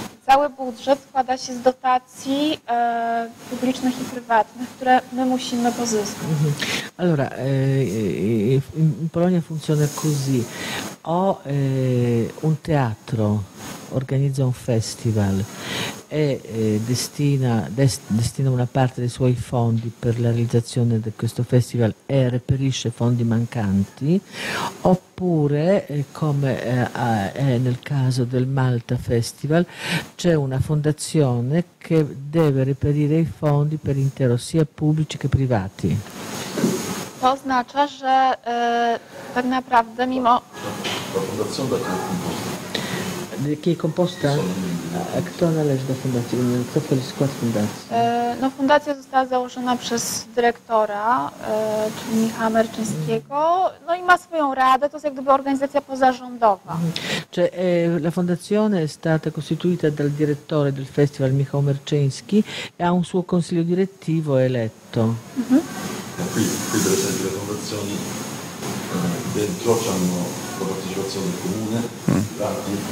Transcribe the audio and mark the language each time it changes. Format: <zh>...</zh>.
<pl>Cały budżet składa się z dotacji publicznych i prywatnych, które my musimy pozyskać.</pl> <it>Allora, in Polonia funziona così. O un teatro organizza un festival e destina una parte dei suoi fondi per la realizzazione di questo festival e reperisce fondi mancanti, oppure come è nel caso del Malta Festival, c'è una fondazione che deve reperire i fondi per intero, sia pubblici che privati.</it> <pl>To oznacza, że tak naprawdę mimo... Do jakiej komposta? A kto należy do fundacji? Co to jest skład fundacji? No, fundacja została założona przez dyrektora, czyli Michała Merczyńskiego, no i ma swoją radę, to jest jak gdyby organizacja pozarządowa.</pl> <it>Cioè, la fondazione è stata costituita dal direttore del festival Michał Merczyński e ha un suo consiglio direttivo eletto. Qui per esempio le fondazioni dentro hanno la partecipazione comune, privati.</it>